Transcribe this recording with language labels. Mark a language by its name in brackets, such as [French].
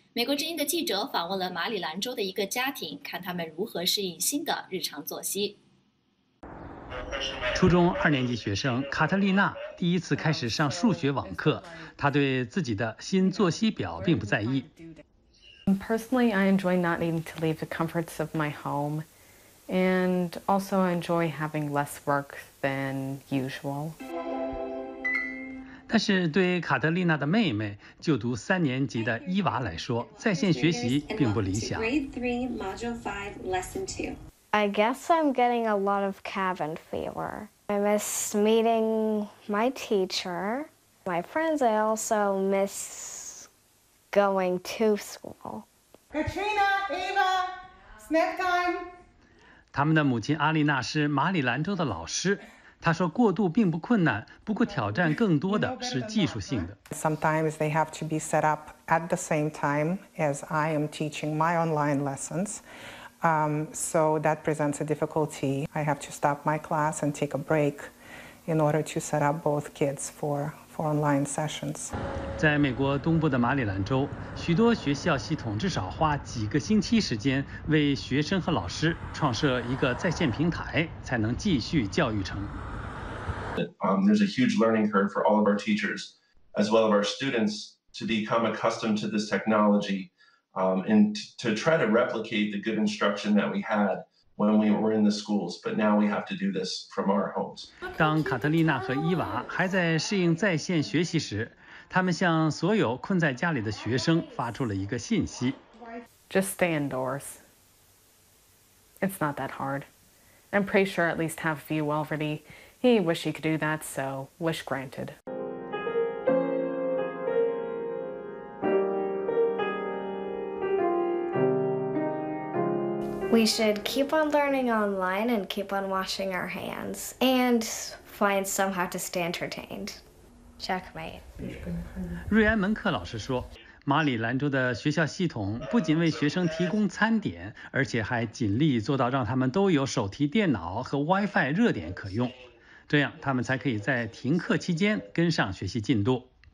[Chinese] 美国之音的记者访问了马里兰州的一个家庭，看他们如何适应新的日常作息。初中二年级学生卡特丽娜第一次开始上数学网课，她对自己的新作息表并不在意。 [English] Personally, I enjoy not needing to leave the comforts of my home, and also enjoy having less work than usual. [Chinese] 但是对卡特丽娜的妹妹，就读三年级的伊娃来说，在线学习并不理想。 [English] I guess I'm getting a lot of cabin fever. I miss meeting my teacher, my friends. I also miss going to school. Katrina, Eva, snack time. [Chinese] 他们的母亲阿丽娜是马里兰州的老师。她说过渡并不困难，不过挑战更多的是技术性的。 [English] Sometimes they have to be set up at the same time as I am teaching my online lessons. So that presents a difficulty. I have to stop my class and take a break in order to set up both kids for online sessions. [Chinese] 在美国东部的马里兰州，许多学校系统至少花几个星期时间为学生和老师创设一个在线平台，才能继续教育成。 [English] There's a huge learning curve for all of our teachers, as well as our students, to become accustomed to this technology. And to try to replicate the good instruction that we had when we were in the schools, but now we have to do this from our homes. [Chinese] 当卡特丽娜和伊娃还在适应在线学习时，他们向所有困在家里的学生发出了一个信息 [English] ：Just stay indoors. It's not that hard. I'm pretty sure at least half of you already. He wish he could do that, so wish granted. We should keep on learning online and keep on washing our hands and find somehow to stay entertained. Checkmate. [Chinese] 瑞安·门克老师说，马里兰州的学校系统不仅为学生提供餐点，而且还尽力做到让他们都有手提电脑和 WiFi 热点可用，这样他们才可以在停课期间跟上学习进度。